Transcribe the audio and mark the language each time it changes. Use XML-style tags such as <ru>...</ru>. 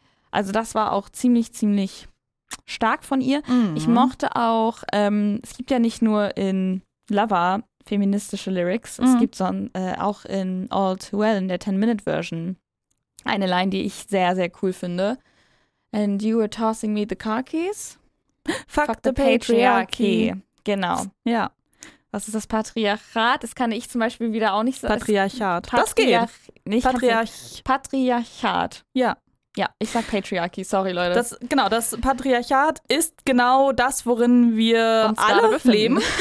<de>Also das war auch ziemlich, ziemlich stark von ihr. Mhm. Ich mochte auch, es gibt ja nicht nur in Lover feministische Lyrics, es gibt auch in All Too Well, in der 10-Minute-Version, eine Line, die ich sehr, sehr cool finde.</de> <en>And you were tossing me the car keys? Fuck the patriarchy.</en> <de>Genau. Ja. Was ist das Patriarchat? Das kann ich zum Beispiel wieder auch nicht sagen. Patriarchat. Das geht. Patriarchat. Ja. Ja, ich sag Patriarchy. Sorry, Leute. Das Patriarchat ist genau das, worin wir uns alle leben.</de>